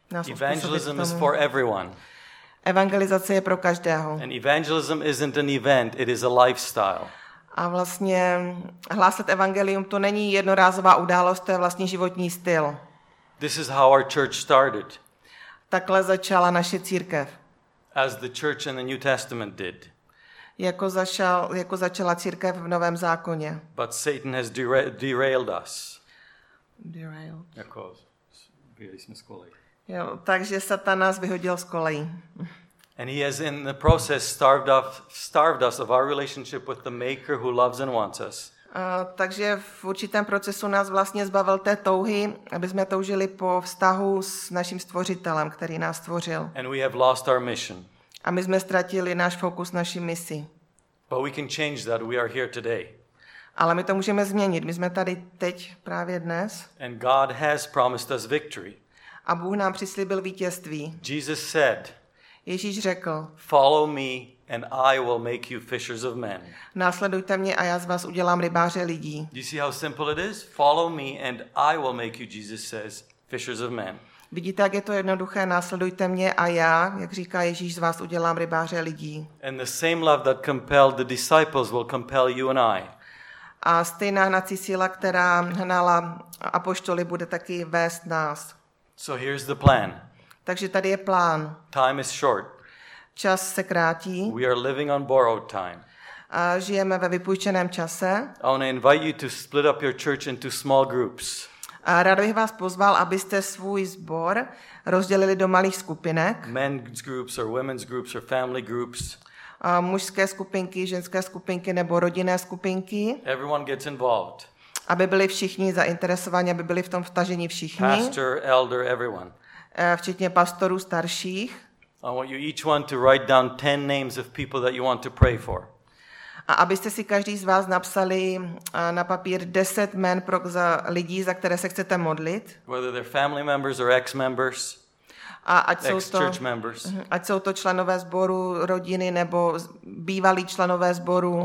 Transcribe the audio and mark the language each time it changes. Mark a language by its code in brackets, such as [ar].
[en] Evangelism is for everyone. [cs] Evangelizace je pro každého. [en] And evangelism isn't an event, it is a lifestyle. [cs] A vlastně hlásat evangelium to není jednorázová událost, to je vlastně životní styl. [en] This is how our church started. [cs] Takhle začala naše církev. [en] As the church in the New Testament did. [cs] Jako začala církev v Novém zákoně. [en] But Satan has derailed us. Derailed. [cs] Jako byli jsme z kolej. Jo, takže Satan nás vyhodil z kolej. [en] And he has in the process starved us of our relationship with the maker who loves and wants us. [cs] Takže v určitém procesu nás vlastně zbavil té touhy, aby jsme toužili po vztahu s naším stvořitelem, který nás stvořil. [en] And we have lost our mission. [cs] A my jsme ztratili náš fokus, naši misi. [en] But we can change that. We are here today. [cs] Ale my to můžeme změnit. My jsme tady teď právě dnes. [en] And God has promised us victory. [cs] A Bůh nám přislíbil vítězství. [en] Jesus said, [cs] Ježíš řekl, [en] follow me. And I will make you fishers of men. [cs] Následujte mě a já z vás udělám rybáře lidí. [en] Do you see how simple it is? Follow me and I will make you, Jesus says, fishers of men. [cs] Vidíte, jak je to jednoduché? Následujte mě a já, jak říká Ježíš, z vás udělám rybáře lidí. [en] And the same love that compelled the disciples will compel you and I. [cs] A stejná hnací síla, která hnala apoštoly, bude taky vést nás. [en] So here's the plan. [cs] Takže tady je plán. [en] Time is short. [cs] Čas se krátí. [en] We are living on borrowed time. [cs] A žijeme ve vypůjčeném čase. [en] I want to invite you to split up your church into small groups. [cs] A rád bych vás pozval, abyste svůj sbor rozdělili do malých skupinek. [en] Men's groups or women's groups or family groups. [cs] A mužské skupinky, ženské skupinky nebo rodinné skupinky. [en] Everyone gets involved. [cs] Aby byli všichni zainteresovaní, aby byli v tom vtaženi všichni. [en] Pastor, elder, everyone. [cs] Včetně pastorů, starších. [en] I want you each one to write down 10 names of people that you want to pray for. [cs] A abyste si každý z vás napsali na papír 10 jmen pro lidí, za které se chcete modlit. [en] Whether they're family members or ex-members. A ex-church members. [cs] Ať jsou to členové sboru, rodiny nebo bývalí členové sboru.